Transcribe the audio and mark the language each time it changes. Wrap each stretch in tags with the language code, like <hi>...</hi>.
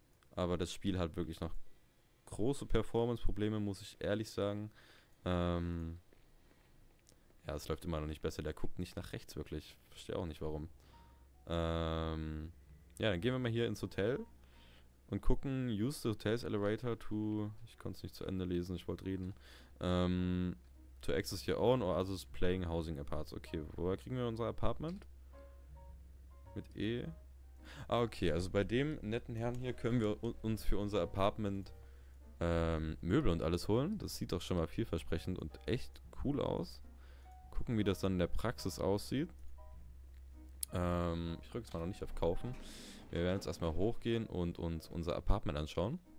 <de>Aber das Spiel hat wirklich noch große Performance-Probleme, muss ich ehrlich sagen. Ja, es läuft immer noch nicht besser. Der guckt nicht nach rechts wirklich. Verstehe auch nicht warum. Ja, dann gehen wir mal hier ins Hotel und gucken.</de> <en>Use the hotel's elevator to.</en> <de>Ich konnte es nicht zu Ende lesen, ich wollte reden.</de> <en>To access your own or others playing housing apartments.</en> <de>Okay, woher kriegen wir unser Apartment? Mit E. Ah, okay, also bei dem netten Herrn hier können wir uns für unser Apartment Möbel und alles holen. Das sieht doch schon mal vielversprechend und echt cool aus. Gucken, wie das dann in der Praxis aussieht. Ich drücke jetzt mal noch nicht auf Kaufen. Wir werden jetzt erstmal hochgehen und uns unser Apartment anschauen.</de>